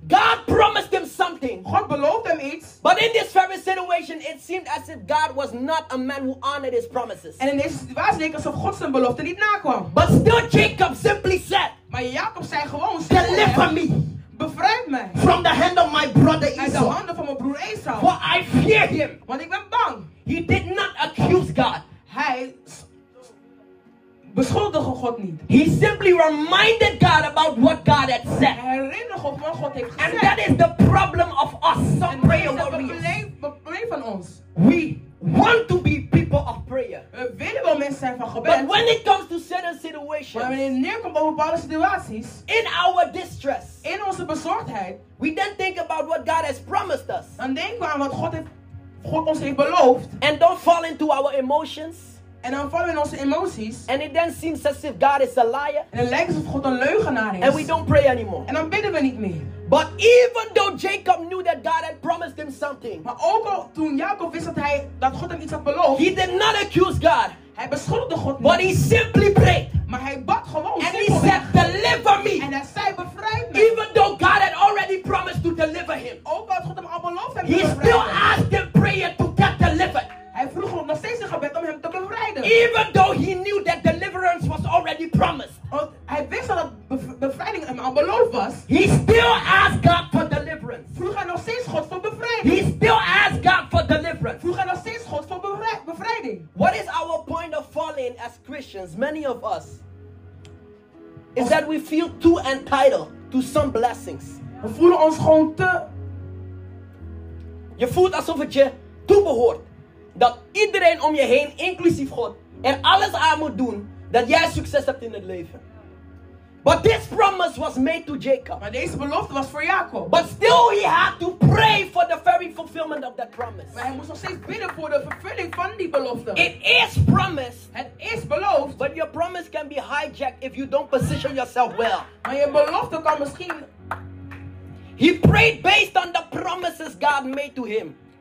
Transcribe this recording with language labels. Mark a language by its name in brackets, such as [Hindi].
[English] God promised him something. [Dutch] God beloofde hem iets. [English] But in this very situation, it seemed as if God was not a man who honored his promises. [Dutch] En in deze situatie leek alsof God zijn belofte niet nakwam. [English] But still Jacob simply said, [Dutch] maar Jacob zei gewoon, [English] deliver me. [Dutch] Bevrijd mij. [English] From the hand of my brother Esau. [Dutch] Uit de handen van mijn broer Esau. [English] For I fear him. [Dutch] Want ik ben bang. [English] He did not attack. accuse God. [Dutch] Hij beschuldigde God niet. [English] He simply reminded God about what God had said. [Dutch] Herinner God wat God heeft gezegd. [English] And that is the problem of us, some prayer warriors. [Dutch] Probleem van ons. [English] We want to be people of prayer. [Dutch] We willen wel mensen zijn van gebed. [English] But when it comes to certain situations, [Dutch] maar wanneer het neerkomt op bepaalde situaties, [English] in our distress, [Dutch] in onze bezorgdheid, [English] we then think about what God has promised us. [Dutch] Dan denken we aan wat God ons heeft beloofd. [English] And don't fall into our emotions. [Dutch] En dan vallen we in onze emoties. [English] And it then seems as if God is a liar. [Dutch] En het lijkt alsof God een leugenaar is. [English] And we don't pray anymore. [Dutch] En dan bidden we niet meer. [English] But even though Jacob knew that God had promised him something. [Dutch] Maar ook al toen Jacob wist dat God hem iets had beloofd. [English] He did not accuse God. [Dutch] Hij beschuldigde God niet. [English] But he simply prayed. [Dutch] Maar hij bad gewoon. [English] And he said, deliver me. [Dutch] En hij zei, bevrijd me. [English] Even though God had already promised to deliver him. [Dutch] Ook al God hem al beloofd heeft. [English] He still asked in prayer to get delivered. [Dutch] Hij vroeg hem nog steeds een gebed om hem te bevrijden. [English] Even though he knew that deliverance was already promised. [Dutch] Hij wist al dat bevrijding hem al beloofd was. [English] He still asked God for deliverance. [Dutch] Vroeg hij nog steeds God voor bevrijding. [English] He still asked God for deliverance. [Dutch] Vroeg hij nog steeds God voor bevrijding. [English] What is our point of falling as Christians, many of us, is that we feel too entitled to some blessings. [Dutch] We voelen ons gewoon te... Je voelt alsof het je toebehoort. Dat iedereen om je heen, inclusief God, er alles aan moet doen dat jij succes hebt in het leven. [English] But this promise was made to Jacob. [Dutch] Maar deze belofte was voor Jacob. [English] But still he had to pray for the very fulfillment of that promise. [Dutch] Maar hij moest nog steeds bidden voor de vervulling van die belofte. [English] It is promised. [Dutch] Het is beloofd. [English] But your promise can be hijacked if you don't position yourself well. [Dutch] Maar je belofte kan misschien... [English] He prayed based on the promises God made to him.